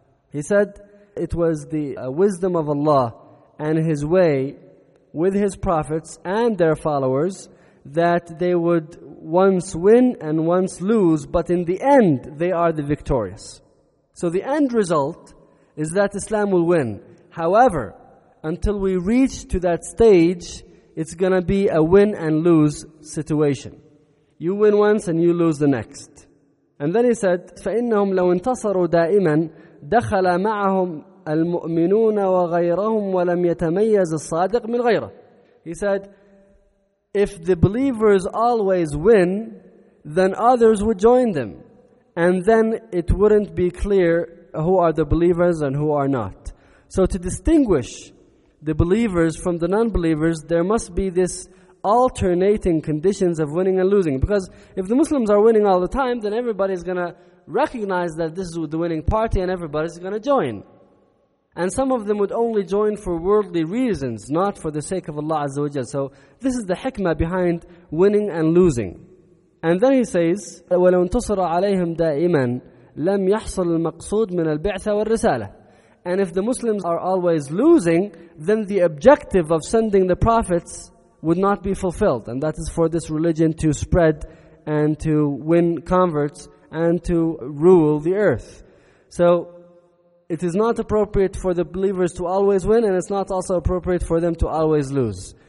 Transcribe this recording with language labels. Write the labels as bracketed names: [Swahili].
[English] He said, it was the wisdom of Allah and His way with His prophets and their followers that they would once win and once lose, but in the end, they are the victorious. So the end result is that Islam will win. However, until we reach to that stage, it's going to be a win and lose situation. You win once and you lose the next. And then he said, [Arabic] فَإِنَّهُمْ لَوْ انتَصَرُوا دَائِمًا دَخَلَ مَعَهُمْ الْمُؤْمِنُونَ وَغَيْرَهُمْ وَلَمْ يَتَمَيَّزِ الصَّادِقِ مِنْ غَيْرَهُ. [English] He said, if the believers always win, then others would join them. And then it wouldn't be clear who are the believers and who are not. So to distinguish the believers from the non-believers, there must be this alternating conditions of winning and losing. Because if the Muslims are winning all the time, then everybody is going to recognize that this is the winning party and everybody is going to join. And some of them would only join for worldly reasons, not for the sake of Allah Azza wa Jalla. So this is the hikmah behind winning and losing. And then he says, [Arabic] وَلَوْ انتصر عَلَيْهِمْ دَائِمًا لَمْ يَحْصُلُ الْمَقْصُودُ مِنَ الْبِعْثَ وَالرِّسَالَةِ. [English] And if the Muslims are always losing, then the objective of sending the prophets would not be fulfilled. And that is for this religion to spread and to win converts and to rule the earth. So it is not appropriate for the believers to always win, and it's not also appropriate for them to always lose.